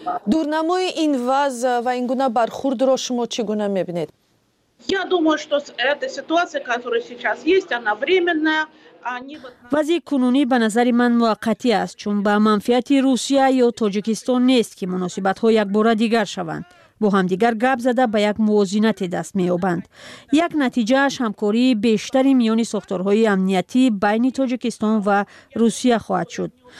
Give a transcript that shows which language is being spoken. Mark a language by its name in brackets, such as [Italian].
[Persian] دورنمای این وضع و این گونه برخورد را شما چگونه می بینید؟ [Russian] Я думаю, что эта ситуация, которая сейчас есть, она временная. [Persian] وضعی کنونی به نظر من موقتی است چون به منفعت روسیه یا تاجیکستان نیست که مناسبت ها یک بار دیگر شوند. با همدیگر گپ زده به یک موازنت دست می‌یابند. یک نتیجه اش همکاری بیشتری میان ساختارهای امنیتی بین تاجیکستان و روسیه خواهد شد.